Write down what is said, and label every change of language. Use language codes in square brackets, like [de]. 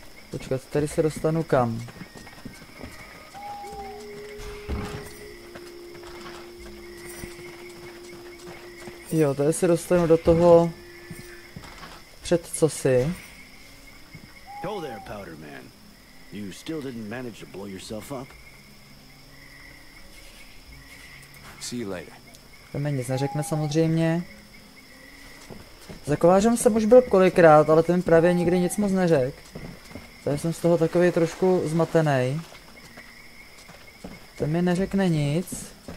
[cs] Počkat, tady se dostanu kam? Jo, tady se dostanu do toho před cosi. [en] Hello there, Powder Man. You still didn't manage to blow yourself up? [cs] To mi nic neřekne samozřejmě. Za kovářem jsem už byl kolikrát, ale ten právě nikdy nic moc neřek. Takže jsem z toho takový trošku zmatený. Ten mi neřekne nic.